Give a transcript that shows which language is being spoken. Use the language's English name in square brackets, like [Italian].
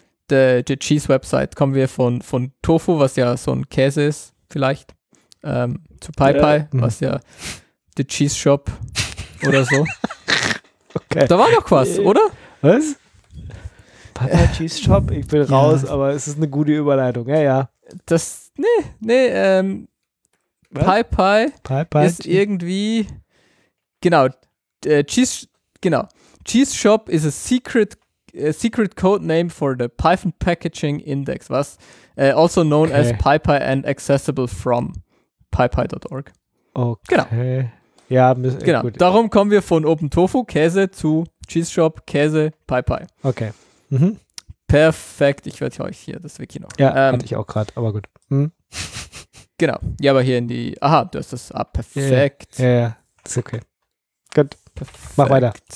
[German] Die Cheese-Website, kommen wir von Tofu, was ja so ein Käse ist, vielleicht, zu PyPy, was ja The Cheese Shop oder so. Okay. Da war noch was, oder? Was? PyPy Cheese Shop? Ich bin raus, aber es ist eine gute Überleitung, ja. Das, PyPy ist irgendwie, genau, [English] Cheese Shop is a secret code name for the Python packaging index, was also known as PyPy and accessible from PyPy.org. [German] Okay. Genau. Ja, genau. Gut. Darum kommen wir von Open Tofu Käse zu Cheese Shop Käse PyPy. Okay. Mhm. Perfekt. Ich werde euch hier das Wiki noch. Ja, hatte ich auch gerade, aber gut. Hm? Genau. Ja, aber hier in die. Aha, du hast das. Ah, perfekt. Ja. Ist okay. Gut. Mach weiter.